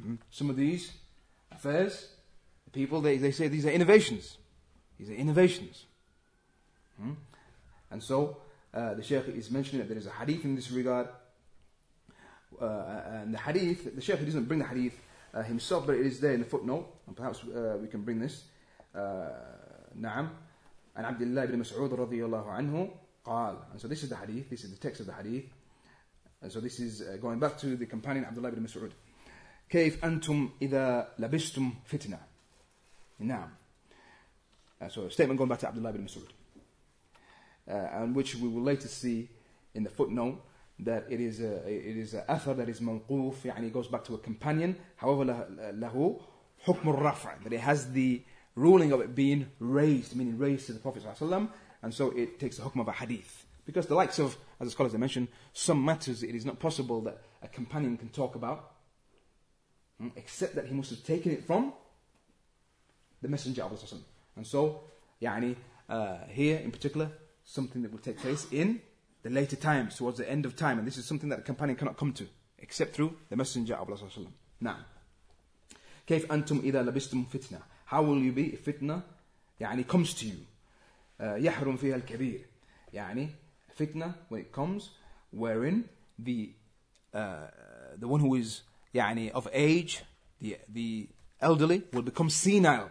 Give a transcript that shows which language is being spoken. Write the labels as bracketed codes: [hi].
[en] Some of these affairs, the people, they say these are innovations. These are innovations. And so, the Shaykh is mentioning that there is a hadith in this regard. And the hadith, the Shaykh doesn't bring the hadith himself, but it is there in the footnote. And perhaps we can bring this. [ar] نعم عن عبد الله بن مسعود رضي الله عنه قال. [en] And so this is the hadith, this is the text of the hadith. And so this is going back to the companion عبد الله بن مسعود. [ar] كيف أنتم إذا لبستم فتنة. نعم. [en] So a statement going back to عبد الله بن مسعود. And which we will later see in the footnote that it is an athar that is manquf, and it goes back to a companion. However, [ar] له حكم الرفع, [en] that it has the ruling of it being raised, meaning raised to the Prophet ﷺ, and so it takes the hukm of a hadith. Because the likes of, as the scholars have mentioned, some matters it is not possible that a companion can talk about, except that he must have taken it from the Messenger of Allah ﷺ. And so, here in particular, something that will take place in the later times, towards the end of time, and this is something that a companion cannot come to, except through the Messenger of Allah ﷺ. [ar] Now, كيف أنتم إذا لبستم فتنة. [en] How will you be if fitna comes to you? [ar] يحرم فيها الكبير. [en] Fitna, when it comes, wherein the one who is of age, the elderly, will become senile.